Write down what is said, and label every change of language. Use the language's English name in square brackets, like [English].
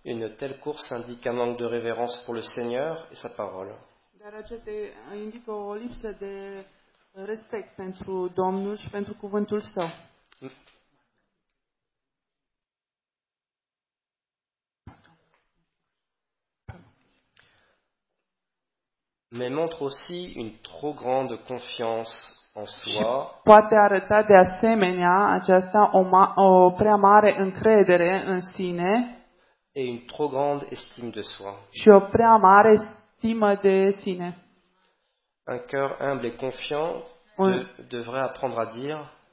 [French] Une telle course indique un manque de révérence pour le Seigneur et sa parole. [Romanian] Dar aceste indică o lipsă de respect pentru Domnul și pentru cuvântul Său. [French] Mais montre aussi une trop grande confiance en soi. [Romanian] Poate arăta de asemenea aceasta o prea mare încredere în sine. [French] Et une trop grande estime de soi. [Romanian] Și o prea mare stimă de sine. [French] Un cœur humble et confiant devrait apprendre à dire.